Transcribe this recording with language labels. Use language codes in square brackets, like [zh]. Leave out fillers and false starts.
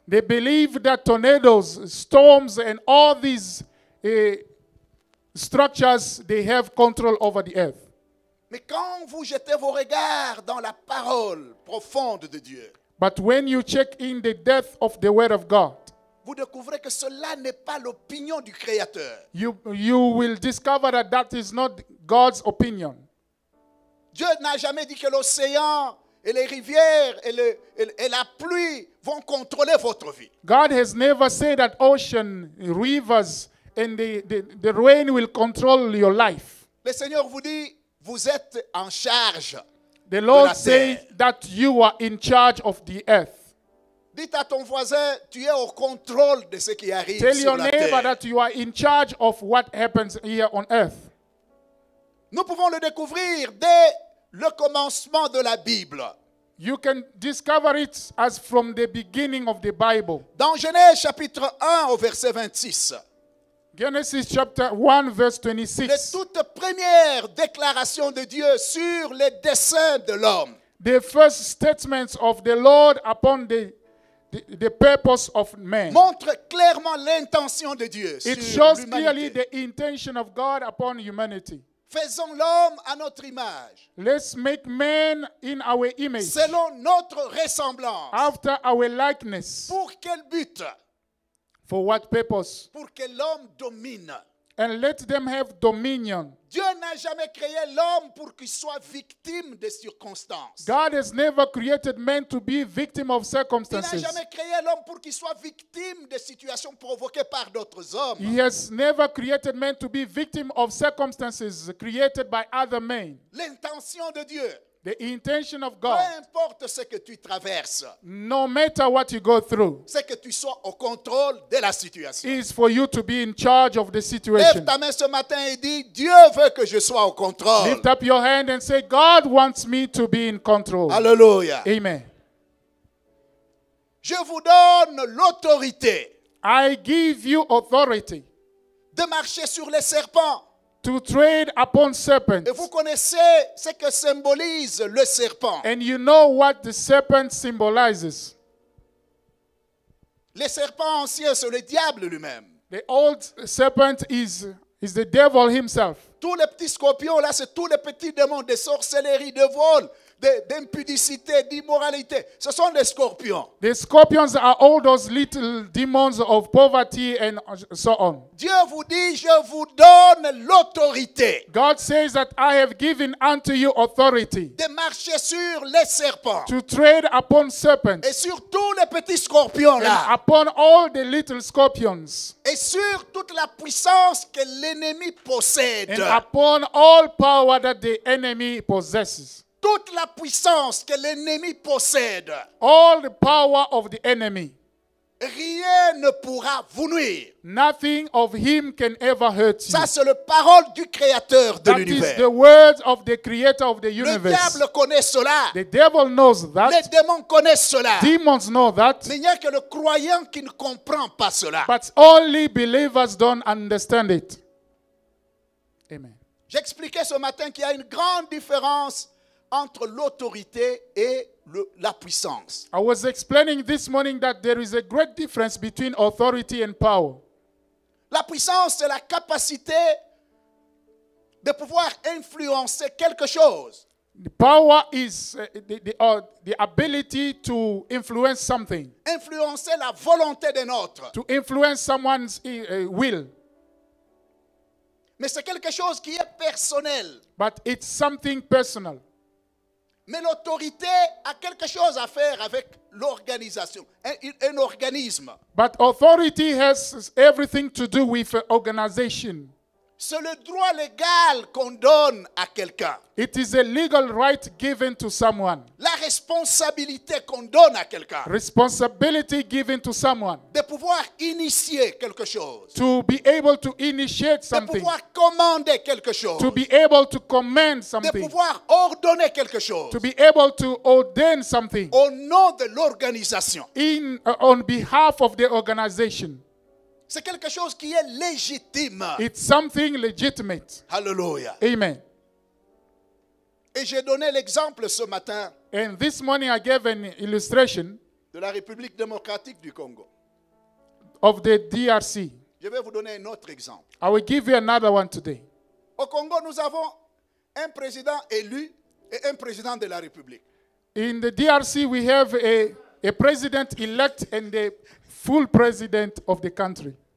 [en] They believe that tornadoes, storms and all these structures they have control over the earth. [fr] Mais quand vous jetez vos regards dans la parole profonde de Dieu, [en] but when you check in the depth of the word of God, [fr] vous découvrez que cela n'est pas l'opinion du Créateur. [en] You will discover that that is not God's opinion. [fr] Dieu n'a jamais dit que l'océan et les rivières et la pluie vont contrôler votre vie. [en] God has never said that ocean, rivers and the rain will control your life. [fr] Le Seigneur vous dit, vous êtes en charge. [en] The Lord says that you are in charge of the earth. [fr] Dites à ton voisin, tu es au contrôle de ce qui arrive sur la terre. [en] Tell your neighbor that you are in charge of what happens here on earth. [fr] Nous pouvons le découvrir dès le commencement de la Bible. [en] You can discover it as from the beginning of the Bible. [fr] Dans Genèse chapitre 1 au verset 26. [en] Genesis chapter 1 verse 26. [fr] Les toutes premières déclarations de Dieu sur les desseins de l'homme. [en] The first statements of the Lord upon the purpose of man. [fr] Montre clairement l'intention de Dieu sur l'humanité. [en] It shows clearly the intention of God upon humanity. [fr] Faisons l'homme à notre image. [en] Let's make man in our image. [fr] Selon notre ressemblance. [en] After our likeness. [fr] Pour quel but? [en] For what purpose? [fr] Pour que l'homme domine. [en] And let them have dominion. [fr] Dieu n'a jamais créé l'homme pour qu'il soit victime des circonstances. [en] God has never created man to be victim of circumstances. [fr] Il n'a jamais créé l'homme pour qu'il soit victime des situations provoquées par d'autres hommes. [en] He has never created man to be victim of circumstances created by other men. [fr] L'intention de Dieu. [en] The intention of God. [fr] Peu importe ce que tu traverses. [en] No matter what you go through. [fr] C'est que tu sois au contrôle de la situation. [en] Is for you to be in charge of the situation. [fr] Lève ta main ce matin et dis, Dieu veut que je sois au contrôle. [en] Lift up your hand and say, God wants me to be in control. [fr] Alléluia. [en] Amen. [fr] Je vous donne l'autorité. [en] I give you authority. [fr] De marcher sur les serpents. [en] To tread upon serpents. [fr] Et vous connaissez ce que symbolise le serpent. [en] And you know what the serpent symbolizes. [fr] Le serpent ancien, c'est le diable lui-même. [en] The old serpent is the devil himself. [fr] Tous les petits scorpions, là, c'est tous les petits démons de sorcellerie, de vol, d'impudicité, d'immoralité. Ce sont les scorpions. [en] The scorpions are all those little demons of poverty and so on. [fr] Dieu vous dit, je vous donne l'autorité. [en] God says that I have given unto you authority. [fr] De marcher sur les serpents. [en] To tread upon serpents. [fr] Et sur tous les petits scorpions là. [en] And upon all the little scorpions. [fr] Et sur toute la puissance que l'ennemi possède. [en] And upon all power that the enemy possesses. [fr] Toute la puissance que l'ennemi possède. [en] All the power of the enemy. [fr] Rien ne pourra vous nuire. [en] Nothing of him can ever hurt you. [fr] Ça, c'est la parole du créateur de [en] that [fr] l'univers. [en] That is the word of the creator of the universe. [fr] Le diable connaît cela. [en] The devil knows that. [fr] Les démons connaissent cela. [en] Demons know that. [fr] Mais il n'y a que le croyant qui ne comprend pas cela. [en] But only believers don't understand it. Amen. [fr] J'expliquais ce matin qu'il y a une grande différence entre l'autorité et la puissance. [en] I was explaining this morning that there is a great difference between authority and power. [fr] La puissance, c'est la capacité de pouvoir influencer quelque chose. [en] The power is the ability to influence something. [fr] Influencer la volonté d'un autre. [en] To influence someone's will. [fr] Mais c'est quelque chose qui est personnel. [en] But it's something personal. [fr] Mais l'autorité a quelque chose à faire avec l'organisation, un organisme. [en] But authority has everything to do with organization. [fr] C'est le droit légal qu'on donne à quelqu'un. [en] It is a legal right given to someone. [fr] La responsabilité qu'on donne à quelqu'un. [en] Responsibility given to someone. [fr] De pouvoir initier quelque chose. [en] To be able to initiate something. [fr] De pouvoir commander quelque chose. [en] To be able to command something. [fr] De pouvoir ordonner quelque chose. [en] To be able to ordain something. [fr] Au nom de l'organisation. [en] On behalf of the organization. [fr] C'est quelque chose qui est légitime. [en] It's something legitimate. Hallelujah. Amen. [fr] Et j'ai donné l'exemple ce matin. [en] And this morning I gave an illustration. [fr] De la République démocratique du Congo. [en] Of the DRC. [fr] Je vais vous donner un autre exemple. [en] I will give you another one today. [fr] Au Congo, nous avons un président élu et un président de la République. [en] In the DRC, we have a president elect and a full president of the country.